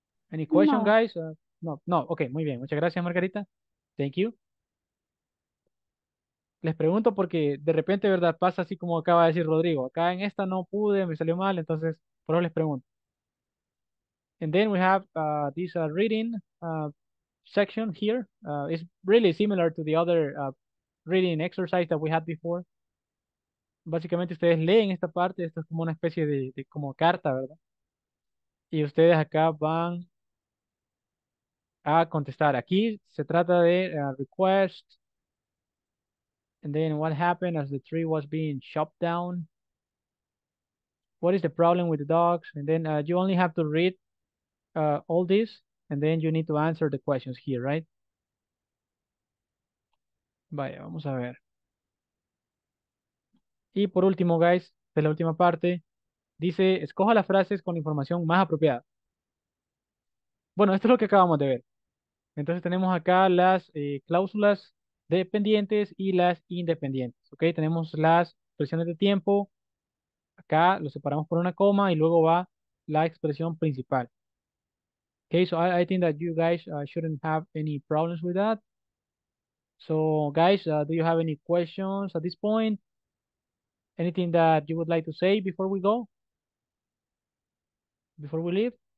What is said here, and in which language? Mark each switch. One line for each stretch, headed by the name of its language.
English: Any question, no.
Spanish: Guys? No, ok, muy bien. Muchas gracias, Margarita.
English: Thank you.
Spanish: Les pregunto porque de repente, ¿verdad? Pasa así como acaba de decir Rodrigo. Acá en esta no pude, me salió mal, entonces por eso les pregunto.
English: And then we have this reading section here. It's really similar to the other reading exercise that we had before.
Spanish: Básicamente ustedes leen esta parte, esto es como una especie de como carta, ¿verdad? Y ustedes acá van a contestar. Aquí se trata de request.
English: And then what happened as the tree was being chopped down? What is the problem with the dogs? And then you only have to read all this, and then you need to answer the questions here, right?
Spanish: Vaya, vamos a ver. Y por último, guys, de la última parte, dice, escoja las frases con la información más apropiada. Bueno, esto es lo que acabamos de ver. Entonces tenemos acá las cláusulas dependientes y las independientes, ¿ok? Tenemos las expresiones de tiempo, acá lo separamos por una coma y luego va la expresión principal.
English: Ok, so I think that you guys shouldn't have any problems with that. So guys, do you have any questions at this point? Anything that you would like to say before we go? Before we leave?